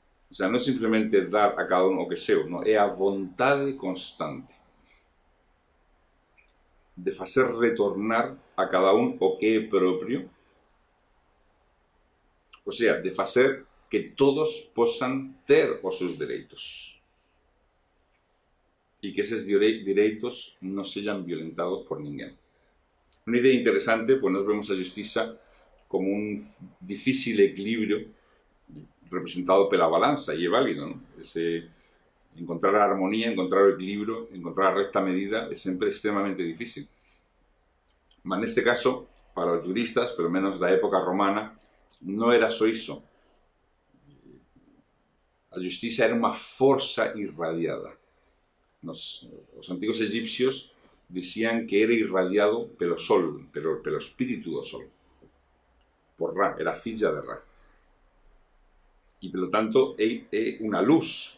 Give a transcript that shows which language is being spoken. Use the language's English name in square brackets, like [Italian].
[Galician] O sea, non é simplemente dar a cada un o que é seu, non, é a vontade constante de facer retornar a cada un o que é propio, o sea, de facer que todos possan ter os seus direitos e que esses direitos non sejan violentados por ninguén. [Spanish] Una idea interesante, pues nos vemos a justicia como un difícil equilibrio representado pela balanza, y es válido, ¿no? [Galician] Ese encontrar a armonía, encontrar o equilibrio, encontrar a recta medida, es sempre extremamente difícil. Mas neste caso, para os juristas, pelo menos da época romana, non era só iso. A justicia era unha forza irradiada. Os antigos egipcios dicían que era irradiado pelo sol, pelo espírito do sol, por Ra, era filla de Ra. E, pelo tanto, é unha luz.